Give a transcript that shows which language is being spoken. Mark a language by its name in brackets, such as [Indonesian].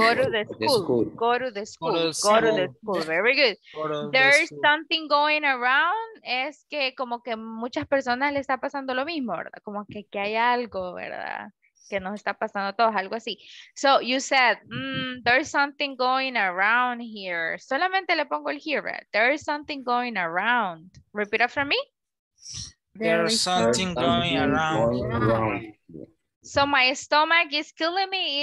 [English] I am under the weather. I can go to the school. Very good. There's something going around. [Spanish] Es que como que muchas personas le está pasando lo mismo, ¿verdad? Como que hay algo, ¿verdad? Que nos está pasando a todos, algo así. [English] So you said, there's something going around here. [Spanish] Solamente le pongo el [English] here, right? There's something going around. Repeat after me. There's something going around. So my stomach is killing me.